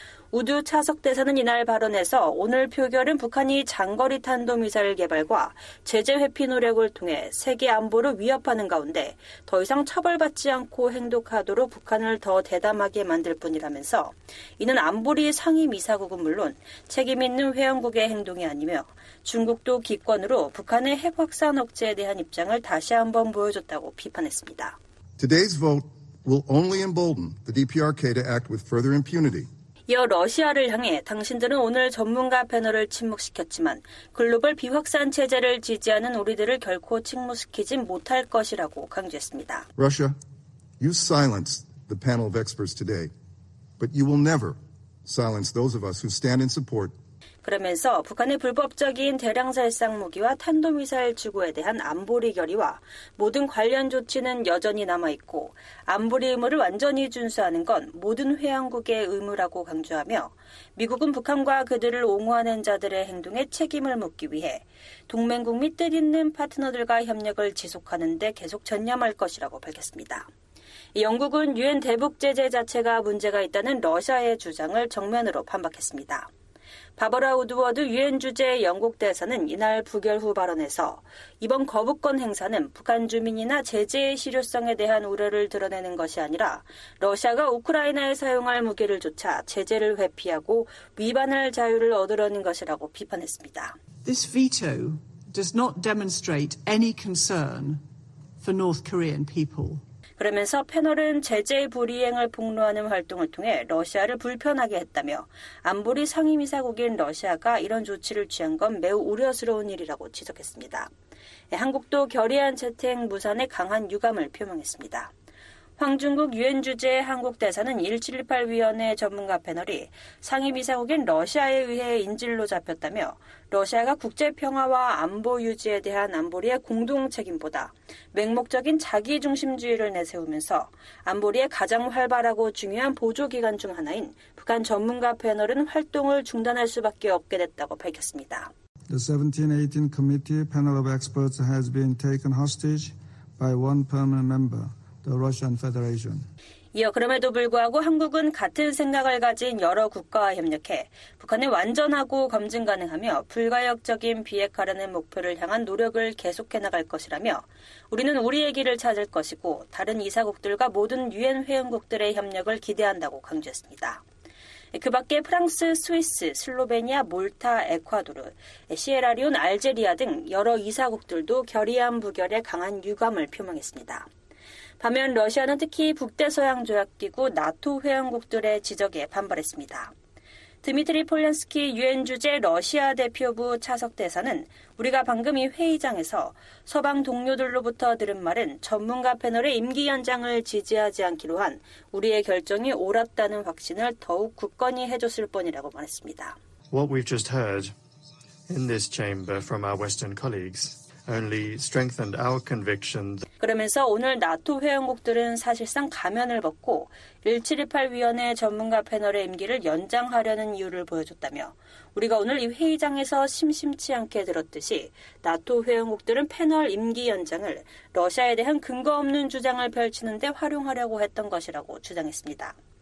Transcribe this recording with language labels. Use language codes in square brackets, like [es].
[ko] 우두 차석 대사는 이날 발언에서 오늘 표결은 북한이 장거리 탄도미사일 개발과 제재 회피 노력을 통해 세계 안보를 위협하는 가운데 더 이상 처벌받지 않고 행동하도록 북한을 더 대담하게 만들 뿐이라면서 이는 안보리 상임이사국은 물론 책임 있는 회원국의 행동이 아니며 중국도 기권으로 북한의 핵 확산 억제에 대한 입장을 다시 한번 보여줬다고 비판했습니다. [en] Today's vote will only embolden the DPRK to act with further impunity. [ko] 이어 러시아를 향해 당신들은 오늘 전문가 패널을 침묵시켰지만 글로벌 비확산 체제를 지지하는 우리들을 결코 침묵시키진 못할 것이라고 강조했습니다. [en] Russia, you silenced the panel of experts today, but you will never silence those of us who stand in support. [ko] 그러면서 북한의 불법적인 대량살상 무기와 탄도미사일 추구에 대한 안보리 결의와 모든 관련 조치는 여전히 남아있고 안보리 의무를 완전히 준수하는 건 모든 회원국의 의무라고 강조하며 미국은 북한과 그들을 옹호하는 자들의 행동에 책임을 묻기 위해 동맹국 및 뜻 있는 파트너들과 협력을 지속하는 데 계속 전념할 것이라고 밝혔습니다. 영국은 유엔 대북 제재 자체가 문제가 있다는 러시아의 주장을 정면으로 반박했습니다. 바버라 우드워드 유엔 주재 영국 대사는 이날 부결 후 발언에서 이번 거부권 행사는 북한 주민이나 제재의 실효성에 대한 우려를 드러내는 것이 아니라 러시아가 우크라이나에 사용할 무기를 조차 제재를 회피하고 위반할 자유를 얻으려는 것이라고 비판했습니다. [en] This veto does not demonstrate any concern for North Korean people. [ko] 그러면서 패널은 제재 불이행을 폭로하는 활동을 통해 러시아를 불편하게 했다며 안보리 상임이사국인 러시아가 이런 조치를 취한 건 매우 우려스러운 일이라고 지적했습니다. 한국도 결의안 채택 무산에 강한 유감을 표명했습니다. 황중국 유엔 주재 한국 대사는 1718 위원회 전문가 패널이 상임이사국인 러시아에 의해 인질로 잡혔다며 러시아가 국제 평화와 안보 유지에 대한 안보리의 공동 책임보다 맹목적인 자기 중심주의를 내세우면서 안보리의 가장 활발하고 중요한 보조 기관 중 하나인 북한 전문가 패널은 활동을 중단할 수밖에 없게 됐다고 밝혔습니다. [en] The 1718 committee panel of experts has been taken hostage by one permanent member. The Russian Federation. [ko] 이어 그럼에도 불구하고 한국은 같은 생각을 가진 여러 국가와 협력해 북한의 완전하고 검증 가능하며 불가역적인 비핵화라는 목표를 향한 노력을 계속해 나갈 것이라며 우리는 우리의 길을 찾을 것이고 다른 이사국들과 모든 유엔 회원국들의 협력을 기대한다고 강조했습니다. 그 밖에 프랑스, 스위스, 슬로베니아, 몰타, 에콰도르, 시에라리온, 알제리아 등 여러 이사국들도 결의안 부결에 강한 유감을 표명했습니다. 반면 러시아는 특히 북대서양조약기구 나토 회원국들의 지적에 반발했습니다. 드미트리 폴란스키 유엔 주재 러시아 대표부 차석 대사는 우리가 방금 이 회의장에서 서방 동료들로부터 들은 말은 전문가 패널의 임기 연장을 지지하지 않기로 한 우리의 결정이 옳았다는 확신을 더욱 굳건히 해줬을 뿐이라고 말했습니다. [en] What we've just heard in this chamber from our Western colleagues only strengthened our conviction. [ko] 그러면서 오늘 나토 회원국들은 사실상 가면을 벗고 1718 위원회 전문가 패널의 임기를 연장하려는 이유를 보여줬다며 우리가 오늘 이 회의장에서 심심치 않게 들었듯이 나토 회원국들은 패널 임기 연장을 러시아에 대한 근거 없는 주장을 펼치는 데 활용하려고 했던 것이라고 주장했습니다.